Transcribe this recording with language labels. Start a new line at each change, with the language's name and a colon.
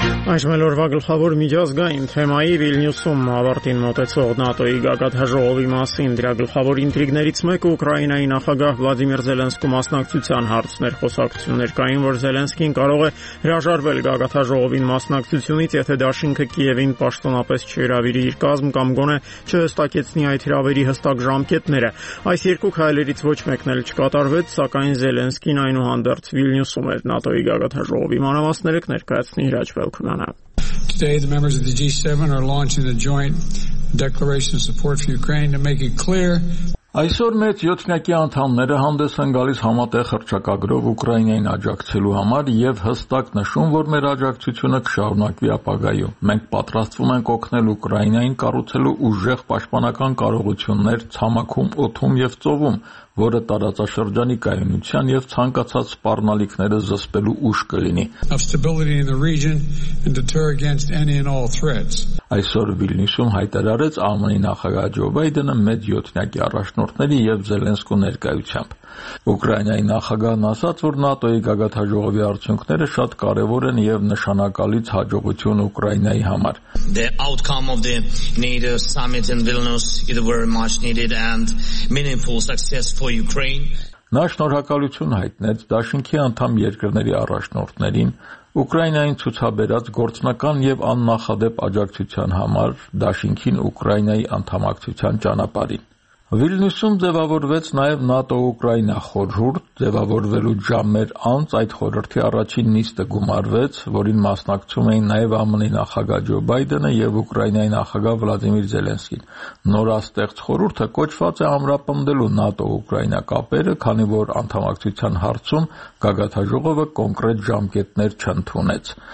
Armenian: Այս մելորվա գլխավոր միջազգային թեմայի Վիլնյուսում ավարտին մոտեցող ՆԱՏՕ-ի գագաթաժողովի մասին դրա գլխավոր ինտրիգներից մեկը Ուկրաինայի նախագահ Վլադիմիր Զելենսկու մասնակցության հարցներ խոսակցություններ կային, որ Զելենսկին կարող է հրաժարվել գագաթաժողովին մասնակցությունից, եթե Դաշինքը Կիևին պաշտոնապես չհրավիրի իր կազմ կամ գոնե չհստակեցնի այդ հրավերի հստակ ժամկետները։ Այս երկու քայլերից ոչ մեկն էլ չկատարվեց, սակայն Զելենսկին այնուհանդերձ Վիլնյուսում էր ՆԱՏՕ-ի գագաթաժողովի մանավասները կներկայացնի հրաժարվել։
English: Today, the members of the G7 are launching a joint declaration of support for Ukraine to make it clear.
Armenian: Այսօր մեծ յոթնյակի անդամները հանդես են գալիս համատեղ հռչակագրով Ուկրաինային աջակցելու համար եւ հստակ նշում, որ մեր աջակցությունը կշարունակվի ապագայում։ Մենք պատրաստվում ենք օգնել Ուկրաինային կառուցելու ուժեղ պաշտպանական կարողություններ ցամաքում, օթում եւ ծովում, որը տարածաշրջանի կայունության եւ ցանկացած սպառնալիքները զսպելու ուժ կլինի։ Այսօր Վիլնյուսում հայտարարեց ԱՄՆ-ի նախագահ Ջո Բայդենը մեծ յոթնյակի առաջնորդների եւ Զելենսկու ներկայությամբ։ Ուկրաինայի նախագահն ասաց, որ ՆԱՏՕ-ի գագաթաժողովի արդյունքները շատ կարեւոր են եւ նշանակալից հաջողություն Ուկրաինայի համար։
English: The outcome of the NATO summit in Vilnius is very much needed and meaningful success for Ukraine.
Armenian: Նա շնորհակալություն հայտնեց Դաշնքի անդամ երկրների առաջնորդներին, Ուկրաինային ցուցաբերած գործնական եւ աննախադեպ աջակցության համար, Դաշնքին Ուկրաինայի անդամակցության ճանապարհին։ Վիլնյուսում ձևավորվեց նաև ՆԱՏՕ-Ուկրաինա խորհուրդ, ձևավորվելու ժամեր անց այդ խորհրդի առաջին նիստը գումարվեց, որին մասնակցում էին նաև ԱՄՆ-ի նախագահ Ջո Բայդենը և Ուկրաինայի նախագահ Վլադիմիր Զելենսկին։ Նորաստեղծ խորհուրդը կոչված է ամրապնդելու ՆԱՏՕ-Ուկրաինա կապերը, քանի որ անդամակցության հարցում գագաթաժողովը կոնկրետ ժամկետներ չընդունեց։